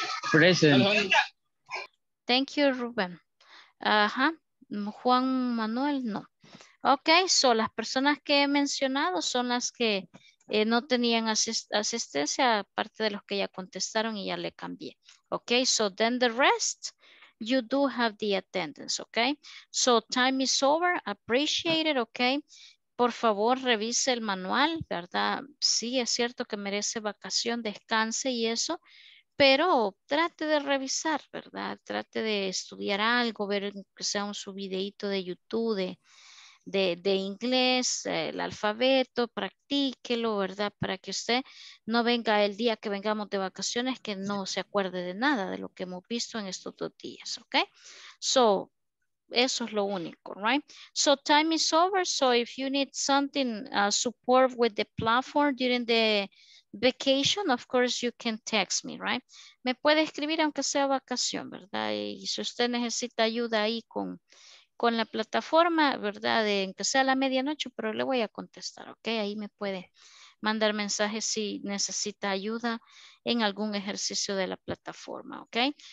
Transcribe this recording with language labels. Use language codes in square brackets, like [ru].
[en] Present. Thank you, Rubén. Ajá. Juan Manuel, no. [es] Ok, so las personas que he mencionado son las que no tenían asistencia, aparte de los que ya contestaron y ya le cambié. [en] Ok, so then the rest, you do have the attendance, ok. So time is over, appreciate it, ok. [es] Por favor, revise el manual, ¿verdad? Sí, es cierto que merece vacación, descanse y eso. Pero trate de revisar, ¿verdad? Trate de estudiar algo, ver que sea un subvideito de YouTube, de inglés, el alfabeto, practíquelo, ¿verdad? Para que usted no venga el día que vengamos de vacaciones que no se acuerde de nada de lo que hemos visto en estos dos días, ¿ok? [en] So, [es] eso es lo único, [en] ¿right? So, time is over. So, if you need something, support with the platform during the vacation, of course, you can text me, right? [es] Me puede escribir aunque sea vacación, ¿verdad? Y si usted necesita ayuda ahí con la plataforma, ¿verdad? De, aunque sea la medianoche, pero le voy a contestar, ¿ok? Ahí me puede mandar mensajes si necesita ayuda en algún ejercicio de la plataforma, ¿ok?